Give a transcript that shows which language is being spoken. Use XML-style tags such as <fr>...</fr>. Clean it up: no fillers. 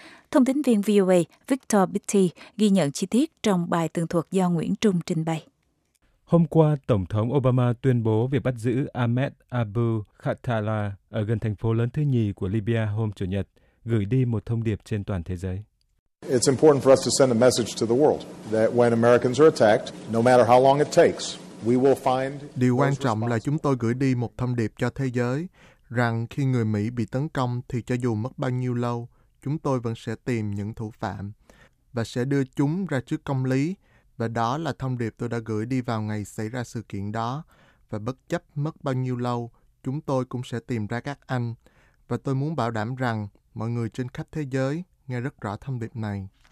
<vi>Thông tin viên VOA Victor Bitti ghi nhận chi tiết trong bài tường thuật do Nguyễn Trung trình bày. Hôm qua, Tổng thống Obama tuyên bố việc bắt giữ Ahmed Abu Qatala ở gần thành phố lớn thứ nhì của Libya hôm Chủ nhật, gửi đi một thông điệp trên toàn thế giới.</vi> <en>It's important for us to send a message to the world that when Americans are attacked, no matter how long it takes, we will find.</en> <vi>Điều quan trọng là chúng tôi gửi đi một thông điệp cho thế giới rằng khi người Mỹ bị tấn công thì cho dù mất bao nhiêu lâu, chúng tôi vẫn sẽ tìm những thủ phạm và sẽ đưa chúng ra trước công lý, và đó là thông điệp tôi đã gửi đi vào ngày xảy ra sự kiện đó, và bất chấp mất bao nhiêu lâu, chúng tôi cũng sẽ tìm ra các anh, và tôi muốn bảo đảm rằng mọi người trên khắp thế giới nghe rất rõ thông điệp này.</vi>